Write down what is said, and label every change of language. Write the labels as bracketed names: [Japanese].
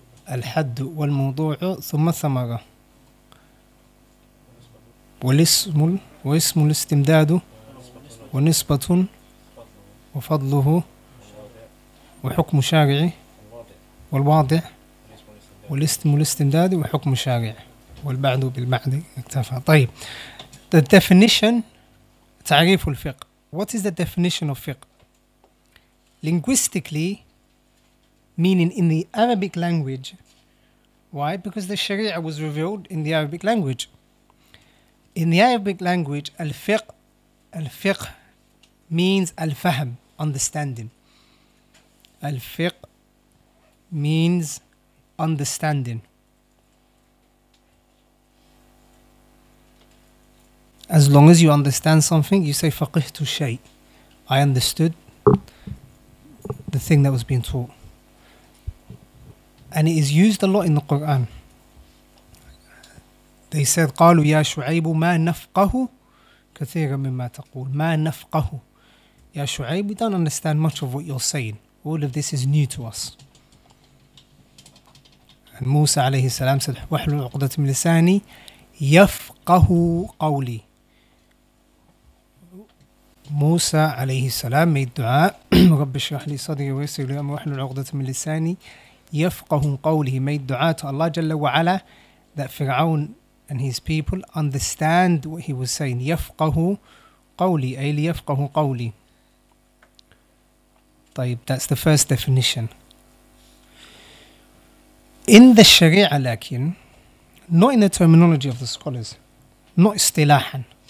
[Arabic] الحد والموضوع ثم ثمرة والاسم واسم الاستمداد ونسبة وفضله وحكم شارعي والواضع والاسم الاستمداد وحكم شارعي والبعد بالبعد اكتفى. طيب, [English] the definition, [Arabic] تعريف الفقه. [English] What is the definition of fiqh? Linguistically, meaning in the Arabic language. Why? Because the Sharia was revealed in the Arabic language. In the Arabic language, al-fiqh means al-fahm, understanding. Al-fiqh means understanding. As long as you understand something, you say faqihtu shay. I understood the thing that was being taught. And it is used a lot in the Quran. They said, [Arabic] قَالُوا يَا شُعَيْبُ مَا نَفْقَهُ كَثِيرًا مِمَّا تَقُولُ مَا نَفْقَهُ. يَا شُعَيْبُ, [English] we don't understand much of what you're saying. All of this is new to us. And Musa alayhi salam said, [Arabic] وَحْلُ الْعُقْدَةِ مِنْ لِسَانِي يَفْقَهُ قَوْلِي. [English] Musa alayhi salam made dua, [Arabic] رَبِّ اشْرَحْ لِي صَدْرِي وَيَسِّرْ لِي أَمْرِي وَحْلُ الْعُقْدَةِ مِنْ لِسَانِي يَفْقَهُ قَوْلِهِ. [English] Made dua to Allah Jalla wa'ala that Fir'aun and his people understand what he was saying. [Arabic] يَفْقَهُ قَوْلِي, أي لِيَفْقَهُ قَوْلِي. طيب, [English] that's the first definition. In the Sharia, [Arabic] لكن, [English] not in the terminology of the scholars, not istilahan.